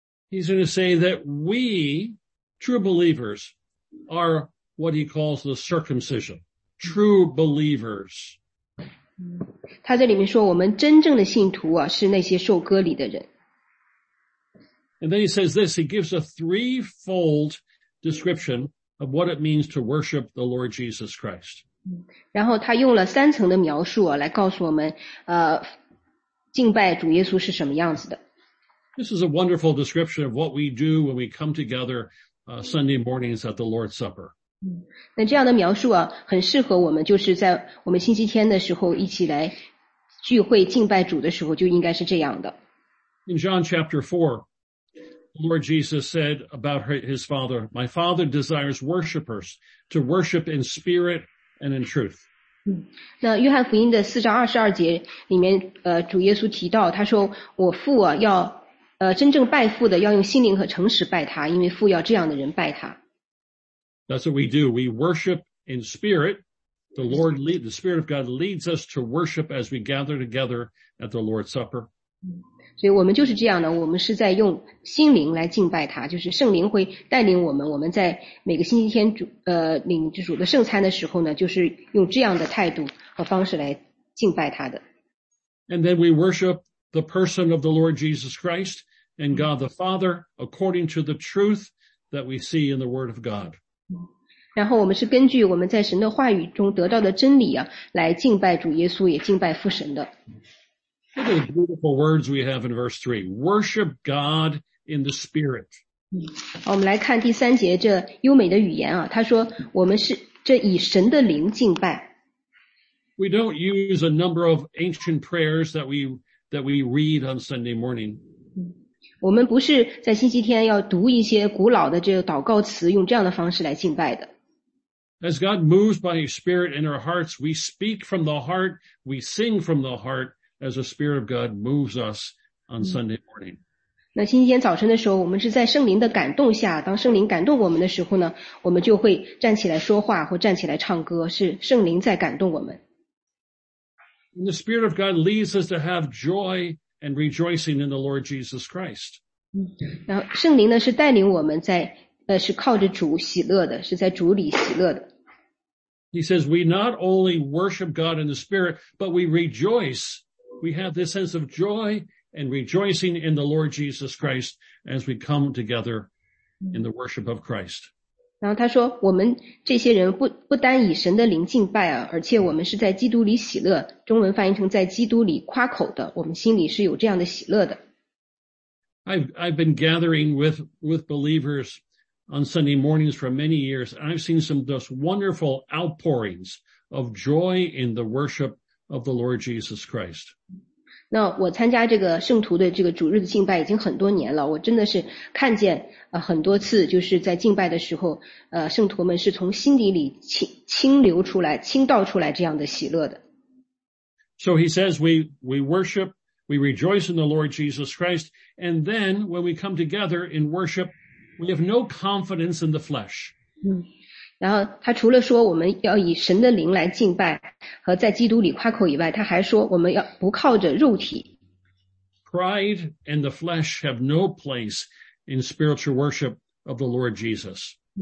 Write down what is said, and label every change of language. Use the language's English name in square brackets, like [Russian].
[English] He's going to say that we, true believers, are what he calls the circumcision. True believers. [Chinese] 他在里面说我们真正的信徒啊是那些受割礼的人。 [English] And then he says this, he gives a threefold description of what it means to worship the Lord Jesus Christ. [Chinese] 然后他用了三层的描述啊来告诉我们敬拜主耶稣是什么样子的。 [English] This is a wonderful description of what we do when we come together Sunday mornings at the Lord's Supper. [Chinese] 那这样的描述啊很适合我们就是在我们星期天的时候一起来聚会敬拜主的时候就应该是这样的。 [English] In John chapter 4, the Lord Jesus said about his father, My father desires worshipers to worship in spirit and in truth. [Chinese] 那约翰福音的四章二十二节里面主耶稣提到他说我父啊要真正拜父的要用心灵和诚实拜他因为父要这样的人拜他。 [English] That's what we do. We worship in spirit. The Spirit of God leads us to worship as we gather together at the Lord's Supper. [Chinese] 所以我们就是这样的，我们是在用心灵来敬拜他，就是圣灵会带领我们，我们在每个星期天领主的圣餐的时候呢，就是用这样的态度和方式来敬拜他的。 [English] And then we worship the person of the Lord Jesus Christ and God the Father according to the truth that we see in the Word of God. [Chinese] 然后我们是根据我们在神的话语中得到的真理啊，来敬拜主耶稣，也敬拜父神的。 [English] Look at the beautiful words we have in verse 3. Worship God in the Spirit. [Chinese] 好，我们来看第三节这优美的语言啊，他说我们是这以神的灵敬拜。 [English] We don't use a number of ancient prayers that we read on Sunday morning. [Chinese] 我们不是在星期天要读一些古老的这个祷告词用这样的方式来敬拜的。 [English] As God moves by His Spirit in our hearts, we speak from the heart, we sing from the heart as the Spirit of God moves us on Sunday morning. [Chinese] 那星期天早晨的时候我们是在圣灵的感动下当圣灵感动我们的时候呢我们就会站起来说话或站起来唱歌是圣灵在感动我们。 [English] And the Spirit of God leads us to have joy and rejoicing in the Lord Jesus Christ. [Chinese] 然后圣灵呢是带领我们在是靠着主喜乐的，是在主里喜乐的。 [English] He says, we not only worship God in the Spirit, but we rejoice. We have this sense of joy and rejoicing in the Lord Jesus Christ as we come together in the worship of Christ. [Chinese] 然后他说，我们这些人不单以神的灵敬拜啊，而且我们是在基督里喜乐。中文翻译成在基督里夸口的，我们心里是有这样的喜乐的。 [English] I've been gathering with believers on Sunday mornings for many years, and I've seen some of those wonderful outpourings of joy in the worship of the Lord Jesus Christ. [Chinese] 那我参加这个圣徒的这个主日的敬拜已经很多年了，我真的是看见很多次就是在敬拜的时候圣徒们是从心底里倾流出来，倾倒出来这样的喜乐的。 [English] So he says we worship, we rejoice in the Lord Jesus Christ, and then when we come together in worship,We have no confidence in the flesh. [Chinese] 然后他除了说我们要以神的灵来敬拜和在基督里夸口以外，他还说我们要不靠着肉体。 [English] Pride and the flesh have no place in spiritual worship of the Lord Jesus.